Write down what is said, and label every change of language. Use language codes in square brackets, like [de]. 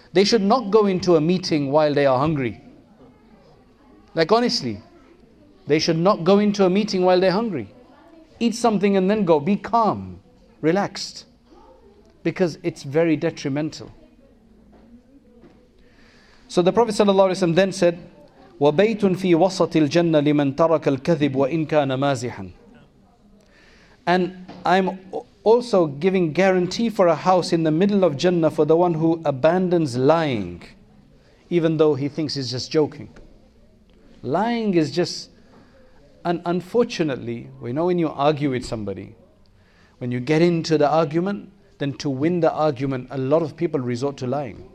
[en] They should not go into a meeting while they are hungry. Like honestly, they should not go into a meeting while they're hungry. Eat something and then go. Be calm, relaxed. Because it's very detrimental. So the Prophet sallallahu alaihi wasallam then said, [ar] وَبَيْتٌ فِي وَسَطِ الْجَنَّةِ لِمَنْ تَرَكَ الْكَذِبُ وَإِنْ كَانَ مَازِحًا. [en] And I'm also giving guarantee for a house in the middle of Jannah for the one who abandons lying, even though he thinks he's just joking. Lying is just, and unfortunately, we know when you argue with somebody, when you get into the argument, then to win the argument, a lot of people resort to lying.